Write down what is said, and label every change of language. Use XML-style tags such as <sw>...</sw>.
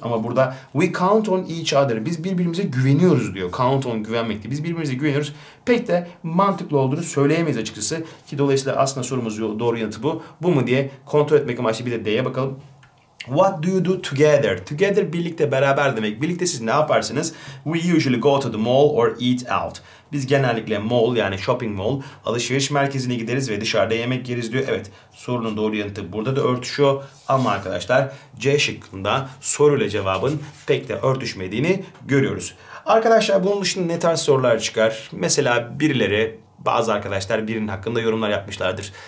<tr>Ama burada</tr> <en>we count on each other.</en> <tr>Biz birbirimize güveniyoruz diyor. Count on güvenmekti. Biz birbirimize güveniyoruz. Pek de mantıklı olduğunu söyleyemeyiz açıkçası. Ki dolayısıyla aslında sorumuz doğru yanıtı bu. Bu mu diye kontrol etmek amaçlı bir de D'ye bakalım.</tr> <en>What do you do together?</en> <tr>Together birlikte, beraber demek. Birlikte siz ne yaparsınız?</tr> <en>We usually go to the mall or eat out.</en> <tr>Biz genellikle mall, yani shopping mall, alışveriş merkezine gideriz ve dışarıda yemek yeriz diyor. Evet, sorunun doğru yanıtı burada da örtüşüyor. Ama arkadaşlar, C şıkkında soruyla cevabın pek de örtüşmediğini görüyoruz. Arkadaşlar, bunun dışında ne tarz sorular çıkar? Mesela birileri, bazı arkadaşlar birinin hakkında yorumlar yapmışlardır.</tr>